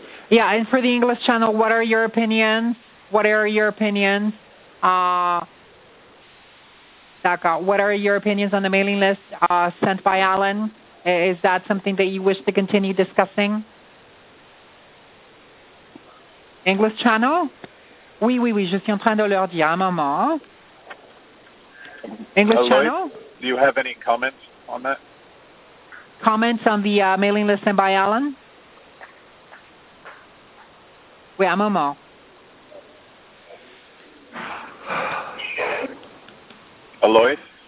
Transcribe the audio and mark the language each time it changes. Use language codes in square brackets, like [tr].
[en] Yeah, and for the English channel, what are your opinions? What are your opinions? What are your opinions on the mailing list sent by Alan? Is that something that you wish to continue discussing? English channel? [fr] Oui, oui, oui, je suis en train de leur dire à maman. [en] English channel? Lloyd, do you have any comments on that? Comments on the mailing list sent by Alan? [fr] Oui, à maman. [en] Lloyd?